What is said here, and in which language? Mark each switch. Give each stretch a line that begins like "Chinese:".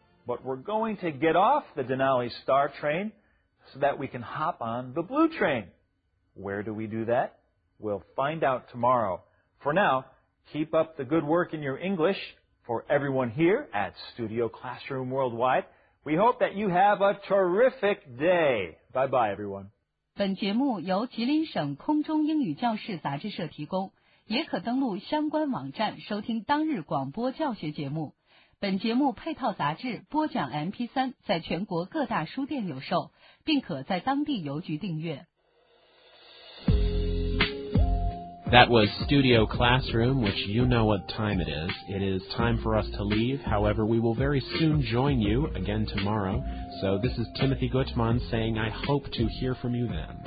English: But we're going to get off the Denali Star Train so that we can hop on the Blue Train. Where do we do that? We'll find out tomorrow. For now, keep up the good work in your English. For everyone here at Studio Classroom Worldwide, we hope that you have a terrific day. Bye-bye, everyone.
Chinese: 本节目由吉林省空中英语教室杂志社提供，也可登录相关网站收听当日广播教学节目。本节目配套杂志播讲 MP3 在全国各大书店有售，并可在当地邮局订阅。
English: That was Studio Classroom, which you know what time it is. It is time for us to leave. However, we will very soon join you again tomorrow. So this is Timothy Gutman saying I hope to hear from you then.